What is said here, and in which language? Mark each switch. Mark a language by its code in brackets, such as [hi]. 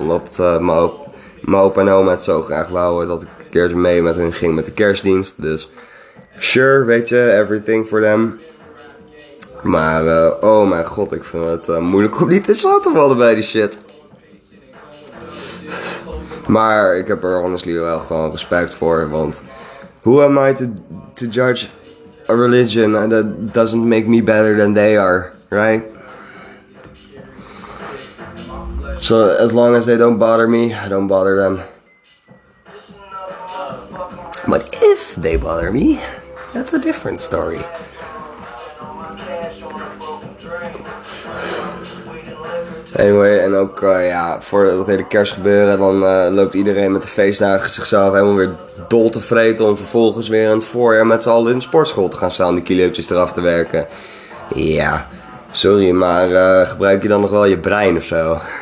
[nl] Omdat mijn opa en oma het zo graag wouden dat ik een keertje mee met hen ging met de kerstdienst. Dus sure, weet je, [en] everything for them. [nl] Maar oh mijn god, ik vind het moeilijk om niet in slaap te vallen bij die shit. Maar ik heb er honestly wel gewoon respect voor. [en] Want who am I to judge a religion that doesn't make me better than they are, right? So as long as they don't bother me, I don't bother them. But if they bother me, that's a different story. [nl] Anyway, en ook voor dat hele kerst gebeuren, dan loopt iedereen met de feestdagen zichzelf helemaal weer dol te vreten om vervolgens weer in het voorjaar met z'n allen in de sportschool te gaan staan om die kilootjes eraf te werken. Ja, sorry, maar gebruik je dan nog wel je brein of zo?